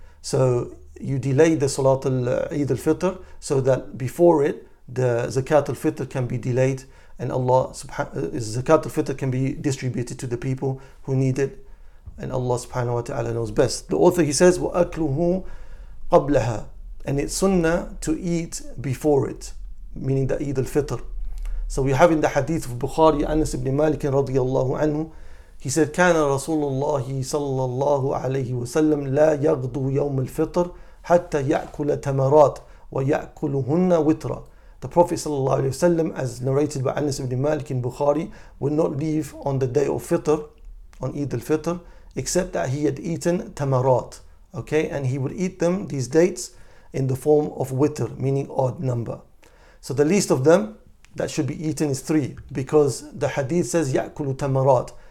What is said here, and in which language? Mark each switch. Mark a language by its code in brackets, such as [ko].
[en] So you delay the Salat al-Eid al-Fitr so that before it, the Zakat al-Fitr can be delayed and Allah Zakat al-Fitr can be distributed to the people who need it, and Allah subhanahu wa ta'ala knows best. The author, he says, [ar] وَأَكْلُهُ قَبْلَهَا, [en] and it's sunnah to eat before it, meaning the Eid al-Fitr. So we have in the hadith of Bukhari, Anas ibn Malik radiyallahu anhu, he said, [ar] كان رسول الله صلى الله عليه وسلم لا يغدو يوم الفطر حتى يأكل تمرات ويأكلهن وترا. [en] The Prophet صلى الله عليه وسلم, as narrated by Anas ibn Malik in Bukhari, would not leave on the day of Fitr, on Eid al-Fitr, except that he had eaten tamarat. Okay, and he would eat them, these dates, in the form of witr, meaning odd number. So the least of them that should be eaten is three, because the hadith says [ar] يأكل تمرات.